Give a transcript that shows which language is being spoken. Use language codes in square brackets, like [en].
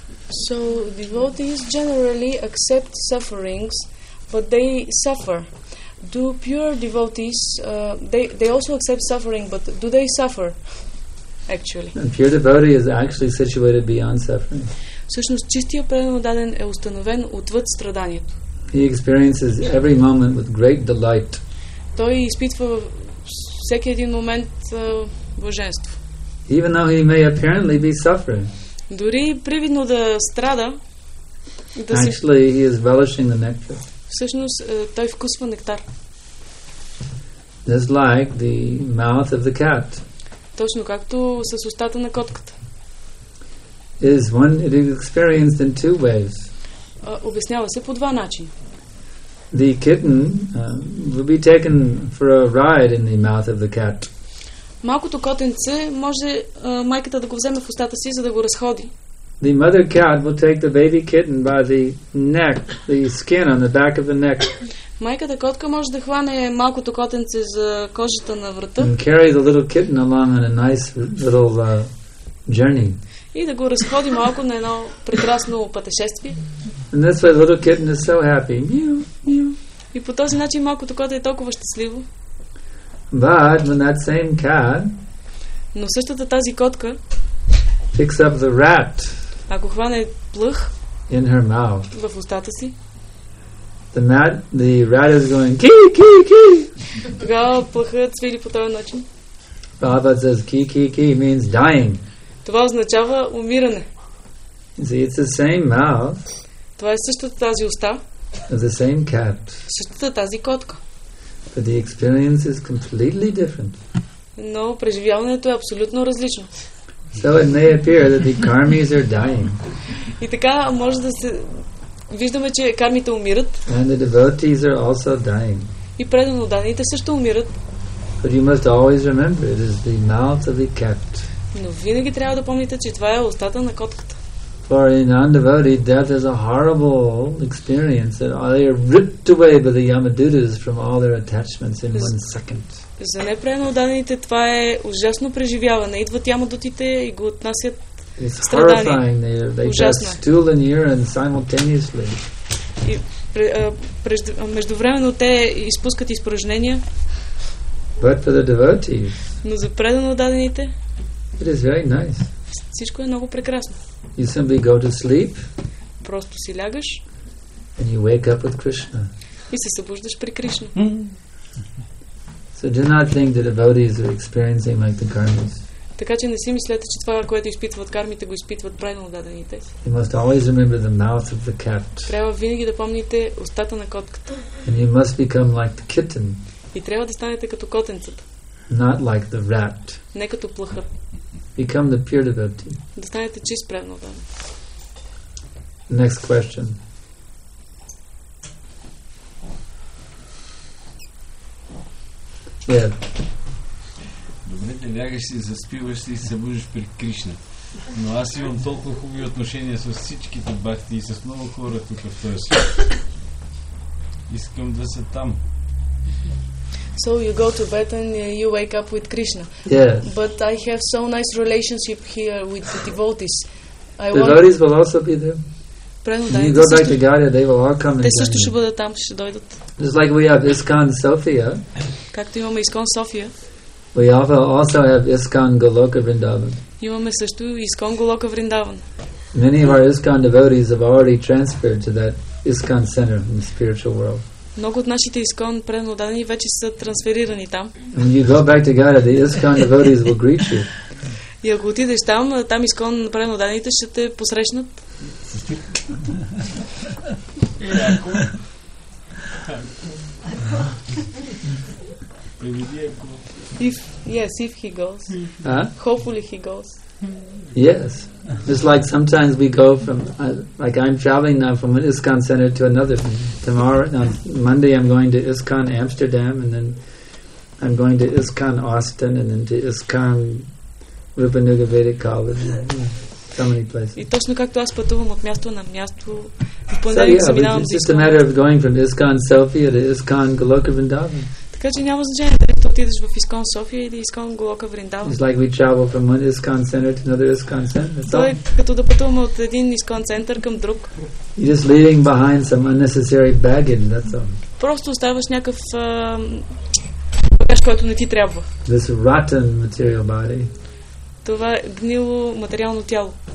[en] So devotees generally accept sufferings, but they suffer. Do pure devotees they also accept suffering, but do they suffer actually? And pure devotee is actually situated beyond suffering. [bg] Всъщност чистия преданоден е установен отвъд страданието. [en] He experiences every moment with great delight. [bg] Той изпитва всеки един момент блаженство. [en] Even though he may apparently be suffering. [bg] Дори привидно да страда, [en] actually, he is relishing the nectar. [bg] Всъщност той вкусва нектар. [en] Just like the mouth of the cat. [bg] Точно както с устата на котката. [en] Is one it is experienced in two ways. [bg] Обяснява се по два начина. [en] The kitten will be taken for a ride in the mouth of the cat. [bg] малкото котенце може майката да го вземе в устата си, за да го разходи. [en] The mother cat will take the baby kitten by the neck, the skin on the back of the neck. [bg] Майката котка може да хване малкото котенце за кожата на врата. [en] And carry the little kitten along on a nice little journey. [bg] И да го разходи малко на едно прекрасно пътешествие. [en] And this way the little kitten is so happy. [bg] И по този начин малкото коте е толкова щастливо. [en] But when that same cat, [bg] но същата тази котка, [en] picks up the rat, [bg] ако хване плъх, [en] in her mouth, [bg] в устата си, [en] the rat is going ки ки ки. [bg] Тогава плъхът свири по този начин. [en] Baba says ки ки ки means dying. [bg] Това означава умиране. [en] See, it's the same mouth. [bg] Това е същата тази уста. [en] The same cat. [bg] Същата тази котка. [en] But the experience is completely different. [bg] Но преживяването е абсолютно различно. [en] So it may appear that the karmis are dying. [bg] И така може да се виждаме, че кармите умират. [en] And the devotees are also dying. [bg] И предано даните също умират. [en] But you must always remember it is the mouth of the cat. [bg] Но винаги трябва да помните, че това е устата на котката. [en] For a non-devotee, death is a horrible experience that they are ripped away by the Yamadutas from all their attachments in one second. [bg] За непреноданите това е ужасно преживяване. Идват ямадутите и го отнасят страдания. [en] They just stool and urine simultaneously. [bg] Междувременно те изпускат изпражнения. [en] But for the devotees, [bg] но за преноданите, [en] it is very nice. [bg] Всичко е много прекрасно. [en] You simply go to sleep. [bg] Просто си лягаш. [en] And you wake up with Krishna. [bg] И се събуждаш при Кришна. [en] So do not think that devotees are experiencing like the karmis. [bg] Така че не си мислете, че това, което изпитват кармите, го изпитват правилно дадените. [en] You must always remember the mouth of the cat. [bg] Трябва винаги да помните устата на котката. [en] And you must become like the kitten. [bg] И трябва да станете като котенцата. [en] Not like the rat. [bg] Не като плъхът. [en] Become the pure devotee. [bg] Да станете чист преданодан. [en] Next question. Yeah. [bg] Добре, да лягаш си, заспиваш си и събуждаш при Кришна. Но аз имам толкова хубави отношения с всичките бахти и с много хора тук в този свят. Искам да са там. [en] So you go to bed and you wake up with Krishna. Yes. But I have so nice relationship here with the devotees. Devotees will also be there. When you go back to Gaudiya, they will all come again. [bg] Те също ще бъдат там, ще дойдат. [en] Just like we have ISKCON Sofia. [bg] Както имаме ISKCON Sofia. [en] We also have ISKCON Goloka Vrindavan. [bg] Имаме също ISKCON Goloka Vrindavan. [en] Many of our ISKCON devotees have already transferred to that ISKCON center in the spiritual world. [bg] Много от нашите ISKCON преданодани вече са трансферирани там. [en] When you go back to Gaudiya, the ISKCON devotees will greet you. [bg] И ако отидеш там, там ISKCON преданодани ще те посрещнат. [en] If, yes, if he goes. Hopefully he goes. Yes. It's like sometimes we go from like I'm traveling now from an ISKCON center to another. Tomorrow on Monday I'm going to ISKCON Amsterdam and then I'm going to ISKCON Austin and then to ISKCON Rupanuga Vedic College and so many places. [bg] И точно както аз пътувам от място на място, [en] it's just a matter of going from ISKCON Sofia to ISKCON Goloka Vrindavan. [bg] Така че няма значение дали ти отидеш в ISKCON София или ISKCON Goloka Vrindavan. [en] It's like we travel from one ISKCON center to another ISKCON center. [bg] То е като да пътуваме от един ISKCON център към друг. [en] You're just leaving behind some unnecessary baggage, that's all. [bg] Просто оставаш някакъв багаж, който не ти трябва. [en] This rotten material body. [bg] Това е гнило материално тяло.